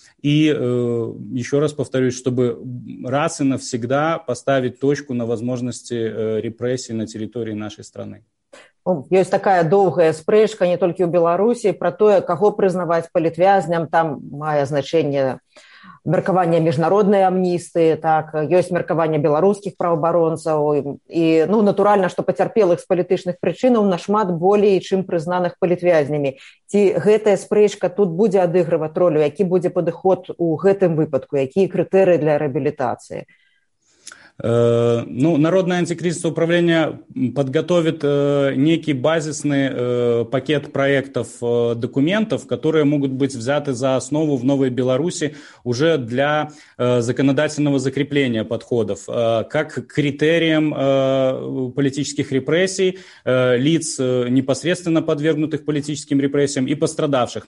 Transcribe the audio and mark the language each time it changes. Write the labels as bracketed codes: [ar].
[ru] И еще раз повторюсь, чтобы раз и навсегда поставить точку на возможности репрессий на территории нашей страны. Есть такая долгая спрэшка не только у Беларуси про то, кого признавать политвязням, там мое значение... [be] меркаванне міжнароднай амністыі, так, ёсць меркаванне беларускіх праваабаронцаў і, ну, натуральна, што пацярпелых з палітычных прычынаў нашмат болей, чым прызнаных палітвязнямі. Ці гэтая спрэчка тут будзе адыгрываць ролю, які будзе падыход у гэтым выпадку, якія крытэрыі для рэабілітацыі? [ru] Ну, Народное антикризисное управление подготовит некий базисный пакет проектов документов, которые могут быть взяты за основу в Новой Беларуси уже для законодательного закрепления подходов, как критерием политических репрессий, лиц, непосредственно подвергнутых политическим репрессиям, и пострадавших.